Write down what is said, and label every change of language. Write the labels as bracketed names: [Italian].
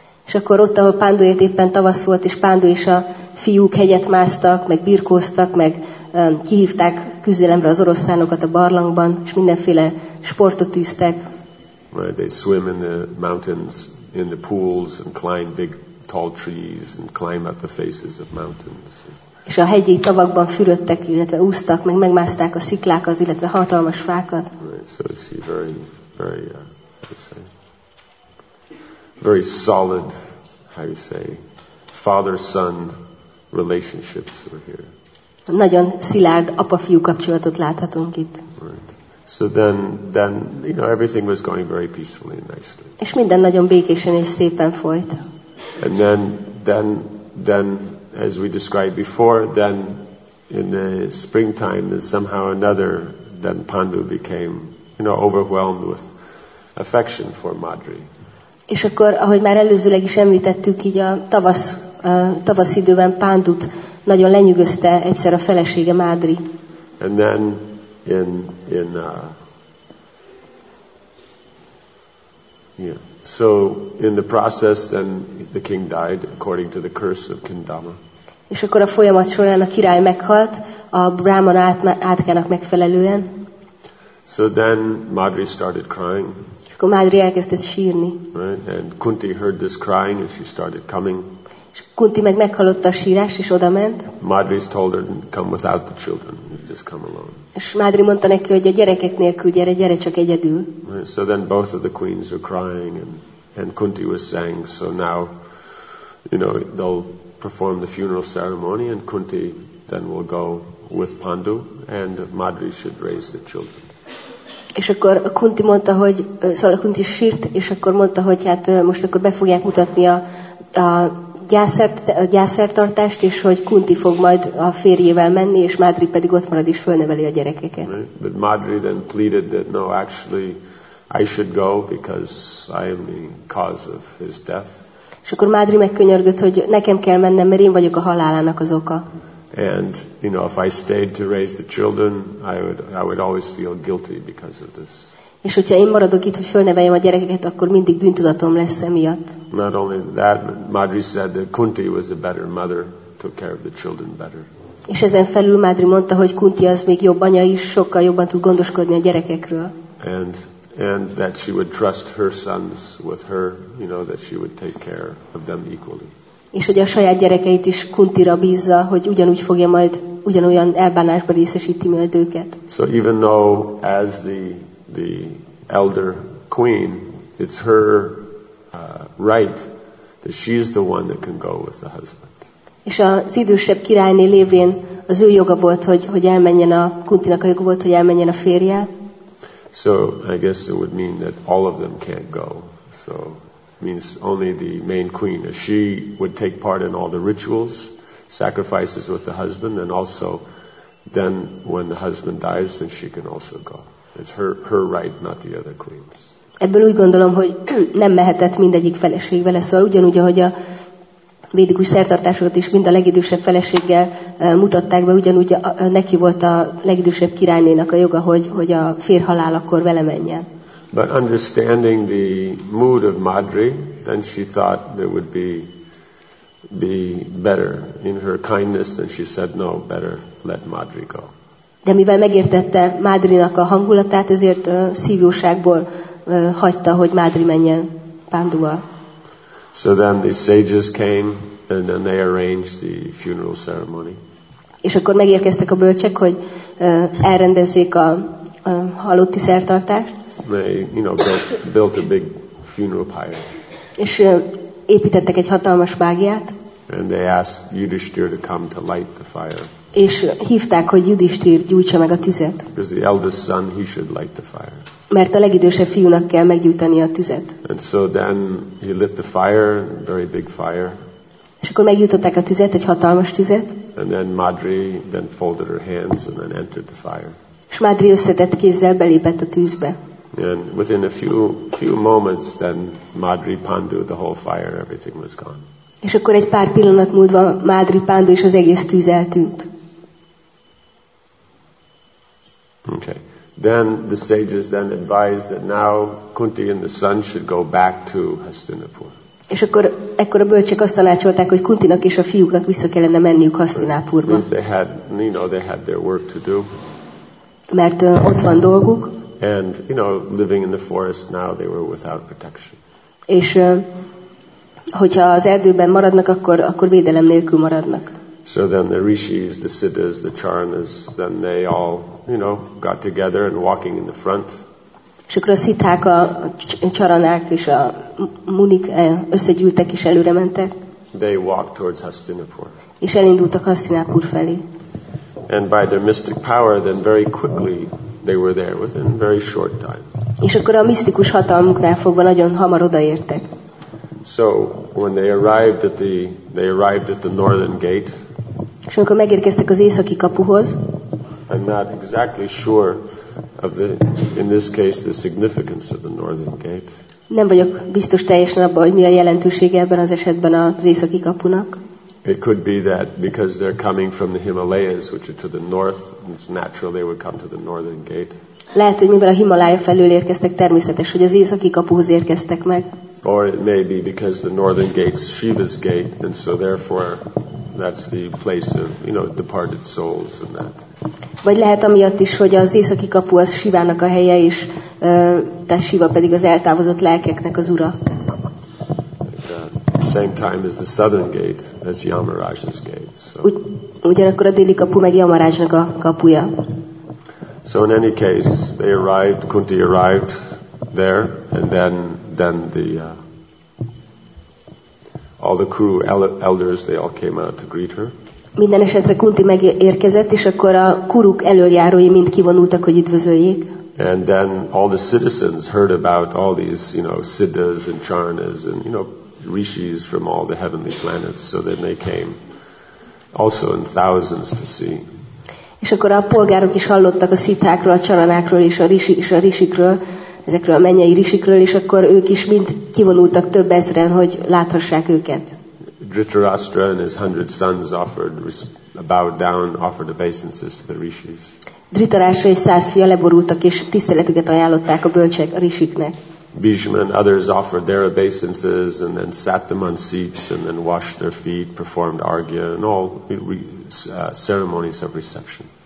[Hungarian] És akkor ott, ahol Pandu élt, éppen tavasz volt, és Pandu és a fiúk hegyet másztak, meg birkóztak, meg kihívták küzdelemre az oroszlánokat a barlangban, és mindenféle sportot tűztek. [English] Right, they swim in the mountains, in the pools, and climb big tall trees, and climb up the faces of mountains. [Hungarian] És a hegyi tavakban fürödtek, illetve úsztak, meg megmászták a sziklákat, illetve hatalmas fákat. [English] Right, so it's very, very, very solid, how you say, father-son relationships were here. [Hungarian] Nagyon szilárd apa-fiú kapcsolatot láthatunk itt. [English] Right. So then, you know, everything was going very peacefully and nicely. [Hungarian] És minden nagyon békésen és szépen folyt. [English] And then, as we described before, then in the springtime, then somehow or another, then Pandu became, you know, overwhelmed with affection for Madri. [Hungarian] És akkor, ahogy már előzőleg is említettük, így a tavasz időben Pandut nagyon lenyűgözte egyszer a felesége Madri. [English] And then in the process, then the king died according to the curse of Kindama. [Hungarian] És akkor a folyamat során a király meghalt a Brahman átkának megfelelően. [English] So then Madri started crying. [Hungarian] És akkor Madri elkezdett sírni. [English] Right? And Kunti heard this crying and she started coming. [Hungarian] És Kunti meg meghallotta a sírást és odament. [English] Madri's told her to come without the children. You just come alone. [Hungarian] És Madri mondta neki, hogy a gyerekek nélkül gyere csak egyedül. [English] Right? So then both of the queens were crying and Kunti was saying, so now, you know, they'll perform the funeral ceremony and Kunti then will go with Pandu and Madri should raise the children. [Hungarian] És akkor Kunti mondta, hogy szóval Kunti sírt, és akkor mondta, hogy hát most akkor be fogják mutatni a gyászertartást, és hogy Kunti fog majd a férjével menni, és Madri pedig ott marad és fölneveli a gyerekeket. [English] Right. But Madri then pleaded that no, actually I should go because I am the cause of his death. [Hungarian] És akkor Madri megkönyörgött, hogy nekem kell mennem, mert én vagyok a halálának az oka. [English] And you know, if I stayed to raise the children, I would always feel guilty because of this. [Hungarian] És hogyha én maradok itt, hogy fölneveljem a gyerekeket, akkor mindig bűntudatom lesz emiatt. [English] Not only that, Madri said that Kunti was a better mother, took care of the children better. [Hungarian] És ezen felül Madri mondta, hogy Kunti az még jobb anya is, sokkal jobban tud gondoskodni a gyerekekről. [English] And that she would trust her sons with her, you know, that she would take care of them equally. [Hungarian] És hogy a saját gyerekeit is Kuntira bízza, hogy ugyanúgy fogja majd ugyanolyan elbánásba részesíti majd őket. [English] So even though as the elder queen, it's her right that she's the one that can go with the husband. [Hungarian] És az idősebb királyné lévén az ő joga volt, hogy elmenjen a Kuntinak a joga volt, hogy elmenjen a férje. [English] So I guess it would mean that all of them can't go. So it means only the main queen. If she would take part in all the rituals, sacrifices with the husband, and also then when the husband dies, then she can also go. It's her right, not the other queens. [Hungarian] Ebből úgy gondolom, hogy nem mehetett mindegyik feleség vele, szóval ugyanúgy, ahogy a védikus szertartásokat is mind a legidősebb feleséggel mutatták be, ugyanúgy neki volt a legidősebb királynénak a joga, hogy a fér halál akkor vele menjen. [English] But understanding the mood of Madri, then she thought it would be better in her kindness, and she said, no, better let Madri go. [Hungarian] De mivel megértette Madrinak a hangulatát, ezért szívjóságból hagyta, hogy Madri menjen Pánduval. [English] So then the sages came and then they arranged the funeral ceremony. [Hungarian] És akkor megérkeztek a bölcsek, hogy elrendezzék a halotti szertartást. [English] They, you know, built a big funeral pyre. [Hungarian] És építettek egy hatalmas bágyát. [English] And they asked Yudhishthira to come to light the fire. [Hungarian] És hívták, hogy Yudhishthir gyújtsa meg a tüzet. [English] Because the eldest son, he should light the fire. [Hungarian] Mert a legidősebb fiúnak kell meggyújtani a tüzet. [English] And so then he lit the fire, very big fire. [Hungarian] És akkor meggyújtották a tüzet, egy hatalmas tüzet. [English] And then Madri then folded her hands and then entered the fire. [Hungarian] És Madri összetett kézzel belépett a tűzbe. [English] And within a few moments, then Madri Pandu, the whole fire, everything was gone. [Hungarian] És akkor egy pár pillanat múlva Madri Pandu és az egész tűz eltűnt. [English] Okay. Then the sages then advised that now Kunti and the son should go back to Hastinapur. [Hungarian] És akkor ekkor a bölcsek azt tanácsolták, hogy Kuntinak és a fiúknak vissza kellene menniük Hasztinápurba. [English] They had their work to do. [Hungarian] Mert ott van dolguk. [English] And you know, living in the forest now, they were without protection. [Hungarian] És hogyha az erdőben maradnak, akkor védelem nélkül maradnak. [English] So then the rishis, the siddhas, the charanas, then they all, you know, got together and walking in the front. [Hungarian] És akkor a szitthák, a charanák és a munik összegyűltek és előre mentek. [English] They walked towards Hastinapur. [Hungarian] És elindultak Hastinapur felé. [English] And by their mystic power, then very quickly they were there within very short time. [Hungarian] És akkor a misztikus hatalmuknál fogva nagyon hamar odaértek. [English] So when they arrived at the northern gate. [Hungarian] És amikor megérkeztek az északi kapuhoz. [English] I'm not exactly sure of the, in this case, the significance of the northern gate. [Hungarian] Nem vagyok biztos teljesen abban, hogy mi a jelentősége ebben az esetben az északi kapunak. [English] It could be that because they're coming from the Himalayas, which are to the north, it's natural they would come to the northern gate. [Hungarian] Lehet, hogy mivel a Himalája felől érkeztek, természetes, hogy az északi kapuhoz érkeztek meg. [English] Or it may be because the northern gate's Shiva's gate, and so therefore that's the place of, you know, departed souls and that. [Hungarian] Vagy lehet amiatt is, hogy az északi kapu az Shivának a helye is, tehát Shiva pedig az eltávozott lelkeknek az ura. [English] Same time as the southern gate, as Yamaraj's gate. So. [Hungarian] Ugyanakkor a déli kapu meg Yamarajnak a kapuja. [English] So in any case, they arrived, Kunti arrived there, and then all the crew, elders, they all came out to greet her. [Hungarian] Minden esetre Kunti megérkezett, és akkor a kuruk elöljárói mind kivonultak, hogy üdvözöljék. [English] And then all the citizens heard about all these, you know, siddhas and charanas and, you know, rishis from all the heavenly planets, so then they came also in thousands to see. [Hungarian] És akkor a polgárok is hallottak a szitákról, a csaranákról és a risikről, ezekről a mennyei risikről, és akkor ők is mind kivonultak több ezren, hogy láthassák őket. [English] Dhritarashtra and his 100 sons bowed down, offered obeisances to the rishis. [Hungarian] Dhritarashtra és 100 fia leborultak, és tiszteletüket ajánlották a bölcsek a risiknek. [English] Bhishma and others offered their obeisances and then sat them on seats and then washed their feet, performed argya and all ceremonies of reception.